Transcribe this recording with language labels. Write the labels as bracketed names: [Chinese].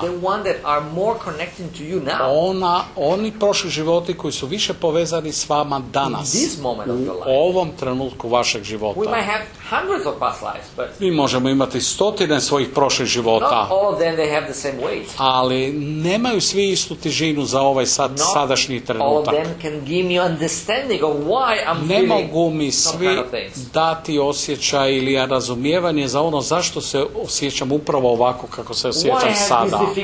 [English] The one that are more connecting to you now. [Croatian] Oni prošli životi koji su više povezani s vama danas. [English] In this moment [Croatian] u [English] of your life. [Croatian] Ovom trenutku vašeg života. [English] We might have hundreds of past lives, but [Croatian] mi možemo imati stotine svojih prošlih života. [English] Not all of them, they have the same weight. [Croatian] Ali nemaju svi istu težinu za ovaj sadašnji trenutak. [English] Not all of them can give me understanding of why I'm [Croatian] ne mogu mi svi dati osjećaj ili razumijevanje za ono zašto se osjećam upravo ovako kako se osjećam sada.